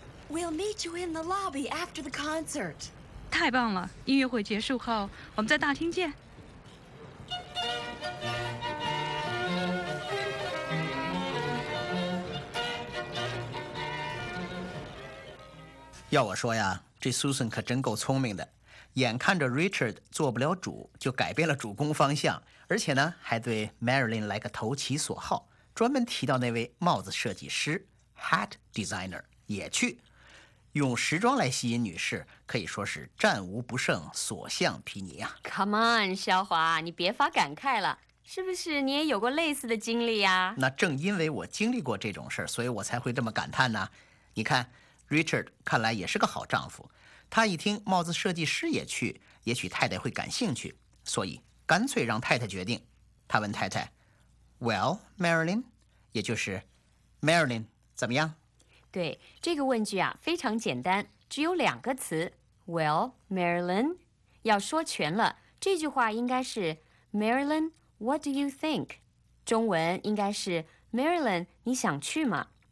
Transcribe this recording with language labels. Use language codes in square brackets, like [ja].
[en] We'll meet you in the lobby after the concert. [zh] 太棒了，音乐会结束后，我们在大厅见。要我说呀，这Susan可真够聪明的，眼看着 Richard 做不了主，就改变了主攻方向，而且呢，还对 Marilyn 来个投其所好，专门提到那位帽子设计师 [en] hat designer [zh] 也去，用时装来吸引女士，可以说是战无不胜，所向披靡啊。 [en] Come on， [zh] 萧华，你别发感慨了，是不是你也有过类似的经历呀？那正因为我经历过这种事，所以我才会这么感叹呢。你看。 Richard 看来也是个好丈夫，他一听帽子设计师也去，也许太太会感兴趣，所以干脆让太太决定。他问太太 ， [en] Well, Marilyn， [zh] 也就是 Marilyn， 怎么样？对，这个问句啊非常简单，只有两个词， [en] Well, Marilyn， [zh] 要说全了，这句话应该是 [en] Marilyn, what do you think？ [zh] 中文应该是 Marilyn， 你想去吗？